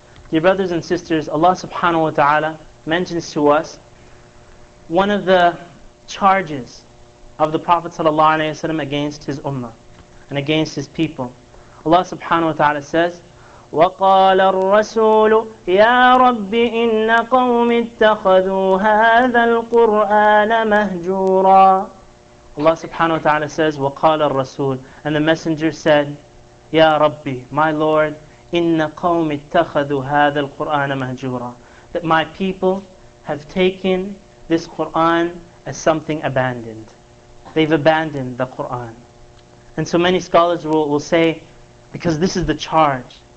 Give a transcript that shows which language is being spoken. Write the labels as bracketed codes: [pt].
[en] Dear brothers and sisters, Allah subhanahu wa ta'ala mentions to us one of the charges of the Prophet sallallahu alayhi wa sallam against his ummah and against his people. Allah subhanahu wa ta'ala says, [ar] وَقَالَ الرَّسُولُ يَا رَبِّ إِنَّ قَوْمِ اتَّخَذُوا هَذَا الْقُرْآنَ مَهْجُورًا. [en] Allah subhanahu wa ta'ala says, [ar] وَقَالَ الرَّسُولُ, [en] and the messenger said, [ar] يَا رَبِّ, [en] my Lord, [ar] إِنَّ قَوْمِ اتَّخَذُوا هَذَا الْقُرْآنَ مَهْجُورًا. [en] That my people have taken this Qur'an as something abandoned. They've abandoned the Qur'an. And so many scholars will say, because this is the charge.